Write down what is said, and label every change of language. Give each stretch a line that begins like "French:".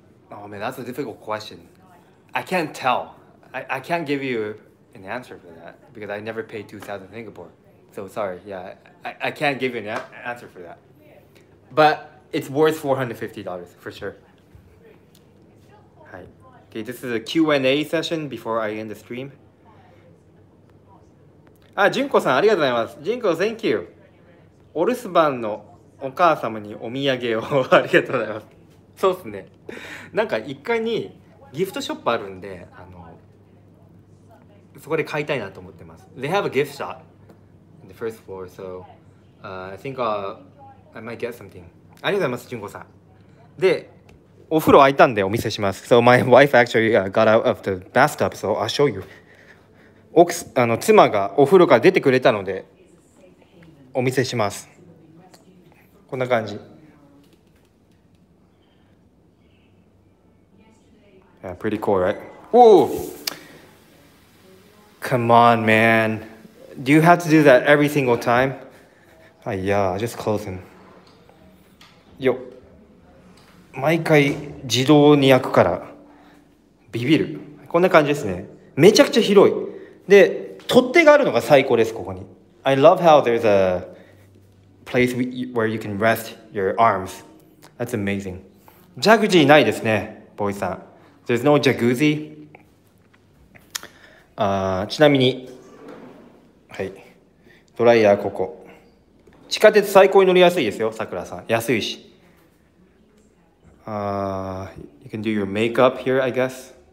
English: Oh man, that's a difficult question. I can't tell. I can't give you an answer for that because I never paid 2,000 Singapore. So sorry, yeah, I can't give you an answer for that. But it's worth $450 for sure. Hi. Okay, this is a Q&A session before I end the stream. Ah, Junko-san,
Japanese: ありがとうございます。
English: Junko, thank you.
Japanese: お留守番のお母様にお土産をありがとうございます。そうですね。なんか1階にギフトショップあるんで、あの、そこで買いたいなと思ってます。
English: They have a gift shop in the first floor, so I think I might get something.
Japanese: ありがとうございます、純子さん。で、お風呂開いたんでお見せします。
English: So my wife actually got out of the bathtub, so I'll show you.
Japanese: 奥、あの、妻がお風呂から出てくれたのでお見せします。こんな感じ。
English: Yeah, pretty cool, right? Whoa! Come on, man. Do you have to do that every single time? Ah, yeah, I'll just close him. Yo.
Japanese: 毎回自動に焼くからビビる。こんな感じですね。めちゃくちゃ広い。で、取っ手があるのが最高です、ここに。
English: I love how there's a place where you can rest your arms. That's amazing.
Japanese: ジャグジーないですね、ボーイさん。
English: There's no jacuzzi.
Japanese: ちなみに、はい。ドライヤーここ。地下鉄最高に乗りやすいですよ、さくらさん。安いし。
English: You can do your makeup here, I guess.